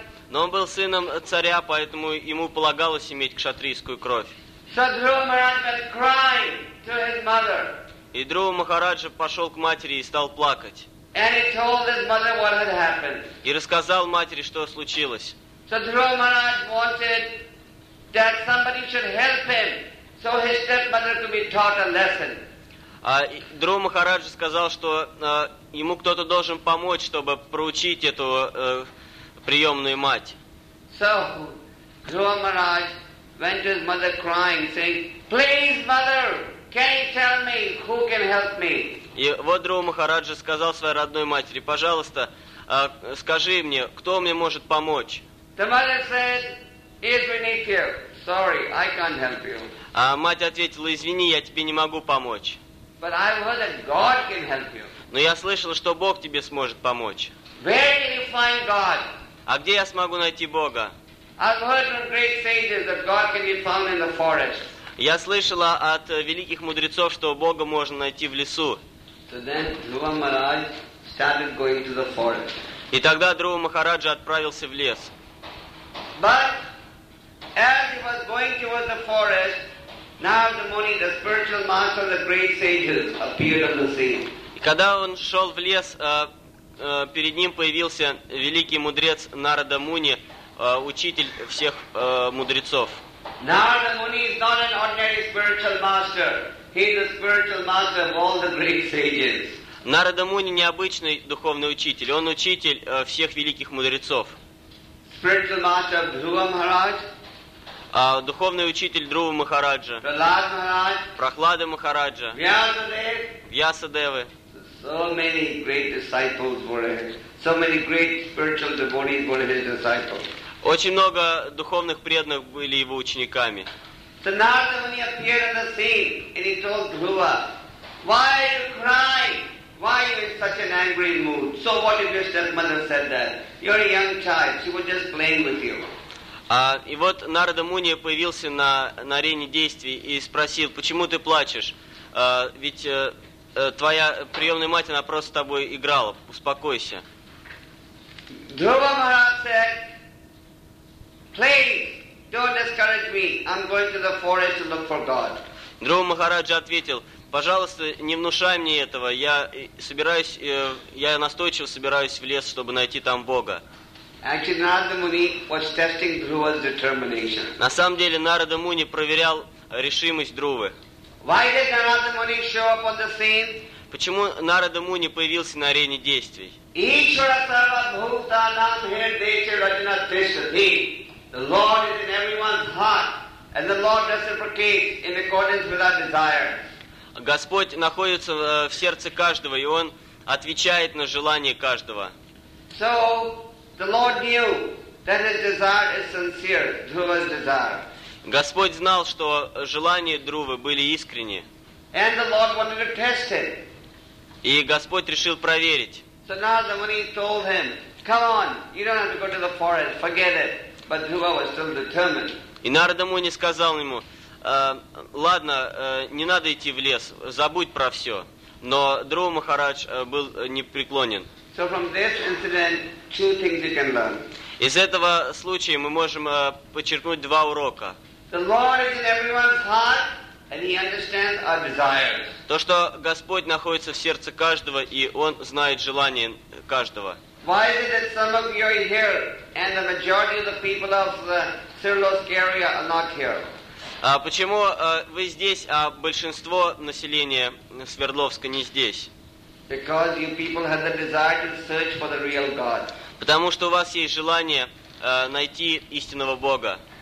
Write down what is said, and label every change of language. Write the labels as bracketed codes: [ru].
[ru] Но он был сыном царя, поэтому ему полагалось иметь кшатрийскую кровь. [en] So Dhruva Maharaj was crying to his mother. [ru] И Друва Махараджа пошел к матери и стал плакать. [en] And he told his mother what had happened. [ru] И рассказал матери, что случилось. [en] So Dhruva Maharaj wanted that somebody should help him, so his stepmother could be taught a lesson. [ru] А Друва Махараджа сказал, что ему кто-то должен помочь, чтобы проучить эту приемную мать. [en] So Dhruva Maharaj went to his mother crying, saying, "Please, mother, can you tell me who can help me?" [ru] И вот Друва Махараджа сказал своей родной матери: "Пожалуйста, скажи мне, кто мне может помочь?" [en] The mother said, "Is beneath you. Sorry, I can't help you." [ru] А мать ответила: "Извини, я тебе не могу помочь." [en] But I heard that God can help you. [ru] Но я слышала, что Бог тебе сможет помочь. [en] Where can you find God? [ru] А где я смогу найти Бога? [en] I've heard from great sages that God can be found in the forest. [ru] Я слышала от великих мудрецов, что Бога можно найти в лесу. [en] So then Dhruva Maharaj started going to the forest. [ru] И тогда Друва Махараджа отправился в лес. [en] But as he was going towards the forest, now in the morning the spiritual master of the great sages appeared on the scene. [ru] И когда он шел в лес, перед ним появился великий мудрец Нарада Муни, учитель всех мудрецов. [en] Narada Muni is not an ordinary spiritual master. He is the spiritual master of all the great sages. [ru] Narada Muni не обычный духовный учитель. Он учитель всех великих мудрецов. [en] Spiritual master of Dhruva Maharaj. [ru] Духовный учитель Друва Махараджа. [en] Prahlada Maharaj. [ru] Прохлада Махараджа. [en] Vyasadeva. So many great disciples were here. So many great spiritual devotees were his disciples. [ru] Очень много духовных преданных были его учениками. [en] So Narada Muni appeared on the scene and he told Dhruva, "Why are you crying? Why are you in such an angry mood? So what if your stepmother said that? You're a young child. She was just playing with you." [ru] И вот Нарада Муни появился на арене действий и спросил: "Почему ты плачешь? Ведь твоя приемная мать, она просто с тобой играла. Успокойся." [en] Dhruva Maharaj said, "Please, don't discourage me. I'm going to the forest to look for God." [ru] Dhruva Maharaj ответил: "Пожалуйста, не внушай мне этого. Я настойчиво собираюсь в лес, чтобы найти там Бога." [en] Actually, Narada Muni was testing Dhruva's determination. [ru] На самом деле Нарада Муни проверял решимость Друвы. [en] Why did Narada Muni show up on the scene? [ru] Почему Нарада Муни появился на арене действий? [sa] Ishvara Sarva Bhuta Nam Hirdeshe Rajana Trishati. [en] The Lord is in everyone's heart, and the Lord reciprocates in accordance with our desire. [ru] Господь находится в сердце каждого, и Он отвечает на желание каждого. [en] So the Lord knew that His desire is sincere, Dhruva's desire. [ru] Господь знал, что желания Друвы были искренни. [en] And the Lord wanted to test him. [ru] И Господь решил проверить. [en] So Narada Muni told him, "Come on, you don't have to go to the forest. Forget it." But Dhruva was still determined. [ru] И Нарада Муни сказал ему: "Ладно, не надо идти в лес, забудь про все." Но Друва Махарадж был непреклонен. [en] So from this incident, two things you can learn. [ru] Из этого случая мы можем почерпнуть два урока. [en] The Lord is in everyone's heart, and He understands our desires. [ru] То, что Господь находится в сердце каждого, и Он знает желания каждого. [en] Why is it that some of you are here, and the majority of the people of the Cyrillic area are not here? [ru] Почему вы здесь, а большинство населения Свердловска не здесь? Потому что у вас есть желание найти истинного Бога.